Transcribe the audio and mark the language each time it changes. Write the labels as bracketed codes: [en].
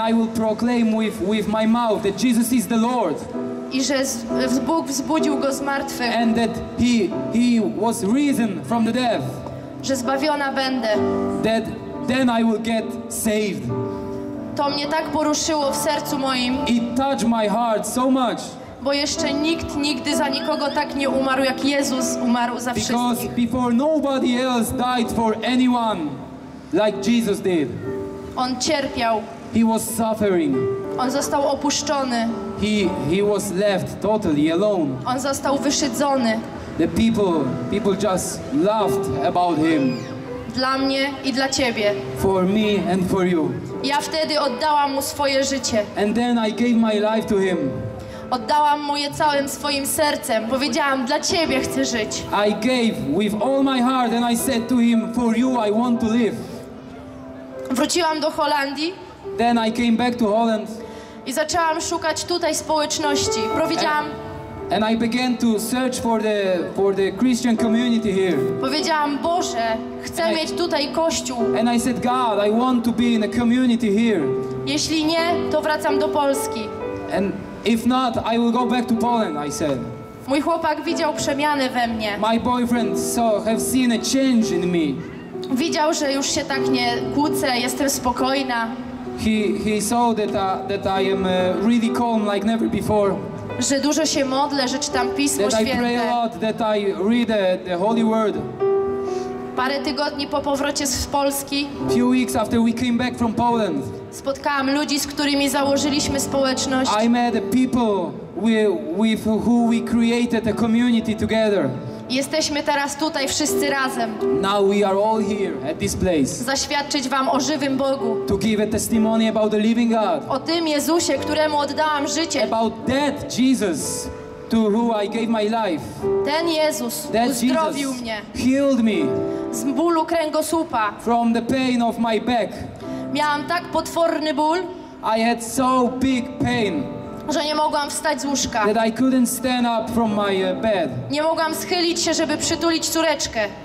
[en] And I will proclaim with my mouth that Jesus is the Lord. [pl] i że Bóg wzbudził go z martwych. [en] And that he was risen from the dead. [pl] Że zbawiona będę. [en] That then I will get saved. [pl] To mnie tak poruszyło w sercu moim. [en] It touched my heart so much. [pl] Bo jeszcze nikt nigdy za nikogo tak nie umarł, jak Jezus umarł za wszystkich. [en] Because before nobody else died for anyone, like Jesus did. [pl] On cierpiał. [en] He was suffering. [pl] On został opuszczony. [en] He was left totally alone. [pl] On został wyszydzony. [en] The people just laughed about him. [pl] Dla mnie i dla ciebie. [en] For me and for you. [pl] Ja wtedy oddałam mu swoje życie. [en] And then I gave my life to him. [pl] Oddałam mu je całym swoim sercem. Powiedziałam, dla ciebie chcę żyć. [en] I gave with all my heart and I said to him, for you I want to live. [pl] Wróciłam do Holandii. [en] Then I came back to Holland. [pl] I zaczęłam szukać tutaj społeczności. Powiedziałam. [en] And I began to search for the Christian community here. [pl] Powiedziałam, Boże, chcę mieć tutaj kościół. [en] And I said, God, I want to be in a community here. [pl] Jeśli nie, to wracam do Polski. [en] And if not, I will go back to Poland, I said. [pl] Mój chłopak widział przemiany we mnie. [en] My boyfriend have seen a change in me. [pl] Widział, że już się tak nie kłócę, jestem spokojna. [en] He saw that I am really calm like never before. [pl] Że dużo się modlę, że czytam Pismo [en] that [pl] Święte. [en] I pray a lot, that I read the Holy Word. [pl] Parę tygodni po powrocie z Polski. [en] Few weeks after we came back from Poland. [pl] Spotkałam ludzi, z którymi założyliśmy społeczność. [en] I met the people with who we created a community together. [pl] Jesteśmy teraz tutaj wszyscy razem. [en] Now we are all here at this place. [pl] Zaświadczyć wam o żywym Bogu. [en] To give a testimony about the living God. [pl] O tym Jezusie, któremu oddałam życie. [en] About that Jesus to who I gave my life. [pl] Ten Jezus [en] that [pl] uzdrowił [en] Jesus [pl] mnie. [en] Healed me. [pl] Z bólu kręgosłupa. [en] From the pain of my back. [pl] Miałam tak potworny ból. [en] I had so big pain. [pl] Że nie mogłam wstać z łóżka. [en] That I couldn't stand up from my bed. [pl] Nie mogłam schylić się, żeby przytulić córeczkę.